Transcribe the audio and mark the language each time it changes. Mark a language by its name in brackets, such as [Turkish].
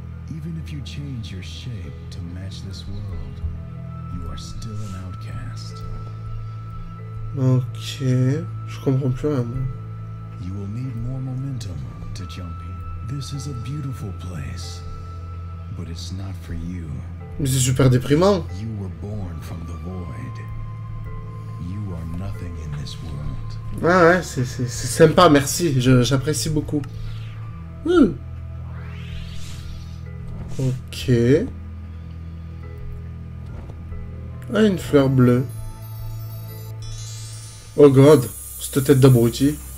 [English] Even if you change your shape, this world, you are still an outcast. [French] Ok, je comprends plus rien. Hein. [English] You will need more momentum to jump here. This is a beautiful place, but it's not for you. [French] Mais c'est super déprimant. [English] You were born from the void. You are nothing in this world. [French] Ah ouais, c'est sympa, merci. J'apprécie beaucoup. Ok. Ah, une fleur bleue. [English] Oh God, [French] cette tête d'abruti.